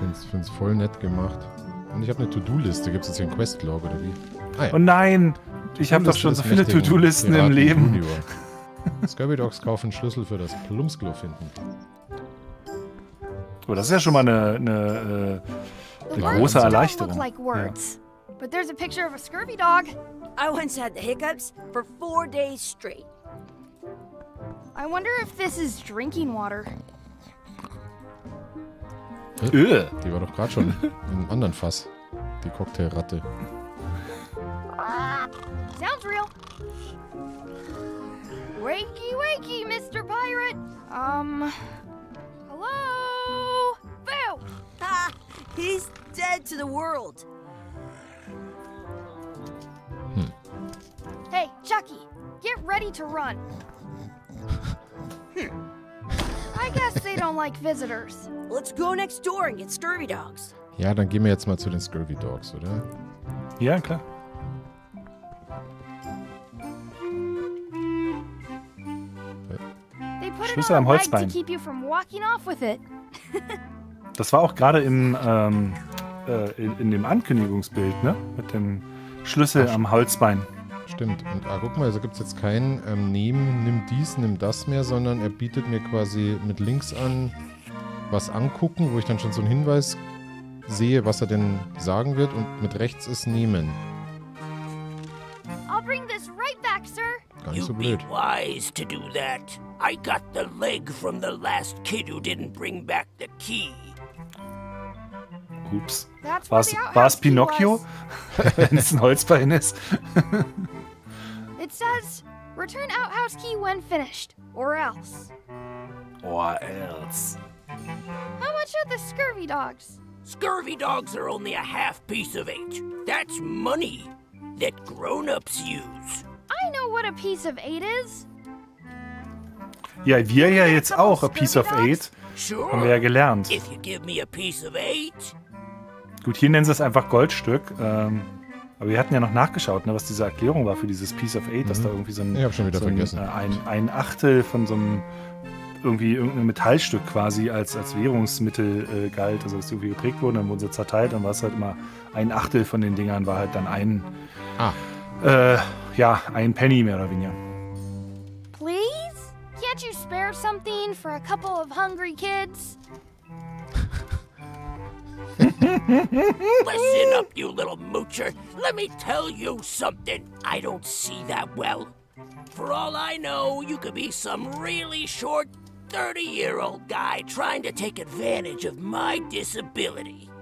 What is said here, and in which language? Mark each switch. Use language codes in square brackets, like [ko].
[de] Find's voll nett gemacht. Und ich habe eine To-Do-Liste. Gibt's jetzt hier einen Questlog oder wie? Ah, ja. Oh nein, ich habe doch schon so viele To-Do-Listen im Leben. Scurvy Dogs kaufen Schlüssel für das Plumpsklo finden. Oh, das ist ja schon mal eine große Erleichterung. [en] Like words, but there's a picture of a scurvy dog. I once had the hiccups for 4 days straight. I wonder if this is drinking water. [de] Die war doch gerade schon in einem anderen Fass. Die Cocktailratte. [en] Sounds real. Wakey wakey, Mr. Pirate. Hello? Boo! Ha! He's dead to the world. Hey, Chucky, get ready to run. I guess they don't like visitors. Let's go next door and get scurvy dogs. [de] Ja, dann gehen wir jetzt mal zu den scurvy dogs, oder? Ja, klar. [en] They put it on a peg to keep you from walking off with it. [de] Das war auch gerade im in dem Ankündigungsbild, ne? Mit dem Schlüssel am Holzbein. Stimmt. Und ah, guck mal, da gibt es jetzt kein nimm dies, nimm das mehr, sondern er bietet mir quasi mit Links an was angucken, wo ich dann schon so einen Hinweis sehe, was er denn sagen wird. Und mit rechts ist nehmen. [en] I'll bring this right back, sir. [de] Gar nicht so blöd. [en] You'd be wise to do that. I got the leg from the last kid who didn't bring back the key. [de] Ups. War es Pinocchio? Wenn es ein Holzbein ist. [en] It says, Return outhouse key when finished, or else. Or else. How much are the scurvy dogs? Scurvy dogs are only a half piece of eight. That's money that grown-ups use. I know what a piece of eight is. [de] Ja, wir ja jetzt auch, a piece of eight, haben wir ja gelernt. [en] If you give me a piece of eight. [de] Gut, hier nennen sie es einfach Goldstück. Aber wir hatten ja noch nachgeschaut, ne, was diese Erklärung war für dieses piece of eight, dass da irgendwie so ein, ich hab schon wieder so vergessen. Ein Achtel von so einem, irgendwie irgendein Metallstück quasi als Währungsmittel galt, also dass die irgendwie geprägt wurden, dann wurden sie zerteilt, dann war es halt immer ein Achtel von den Dingern war halt dann ein, ein Penny mehr oder weniger. [en] Please? Can't you spare something for a couple of hungry kids? Listen up, you little moocher. Let me tell you something. I don't see that well. For all I know, you could be some really short 30-year-old guy trying to take advantage of my disability.